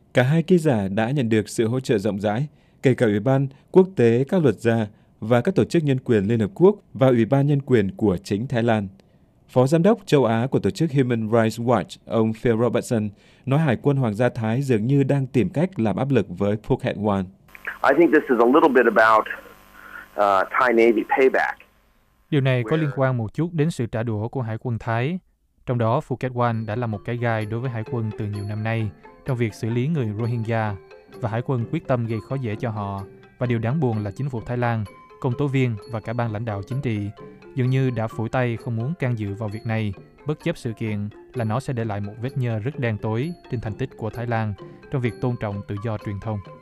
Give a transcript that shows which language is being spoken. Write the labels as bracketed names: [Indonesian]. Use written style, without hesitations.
[Vietnamese] Cả hai ký giả đã nhận được sự hỗ trợ rộng rãi, kể cả Ủy ban Quốc tế các luật gia và các tổ chức nhân quyền Liên Hợp Quốc và Ủy ban Nhân quyền của chính Thái Lan. Phó Giám đốc Châu Á của tổ chức Human Rights Watch, ông Phil Robertson, nói Hải quân Hoàng gia Thái dường như đang tìm cách làm áp lực với Phuket One. [English] I think this is a little bit about Thai Navy payback. [Vietnamese] Điều này có liên quan một chút đến sự trả đũa của Hải quân Thái. Trong đó, Phuket One đã là một cái gai đối với Hải quân từ nhiều năm nay trong việc xử lý người Rohingya, và Hải quân quyết tâm gây khó dễ cho họ. Và điều đáng buồn là chính phủ Thái Lan, công tố viên và cả ban lãnh đạo chính trị dường như đã phủi tay không muốn can dự vào việc này, bất chấp sự kiện là nó sẽ để lại một vết nhơ rất đen tối trên thành tích của Thái Lan trong việc tôn trọng tự do truyền thông.